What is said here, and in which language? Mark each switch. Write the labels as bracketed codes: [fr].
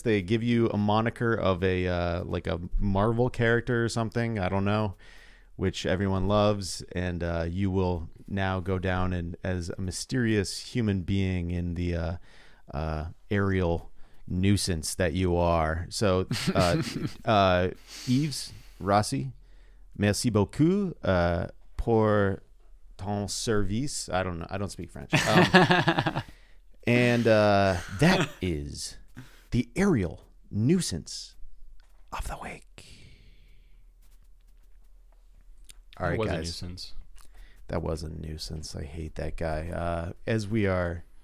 [en] They give you a moniker of a Marvel character or something, I don't know, which everyone loves, and you will now go down as a mysterious human being in the aerial nuisance that you are. [fr] So, Yves Rossi, merci beaucoup pour ton service. [en] I don't know. I don't speak French. that is the aerial nuisance of the week. All right, guys. That was a nuisance. That was a nuisance. I hate that guy.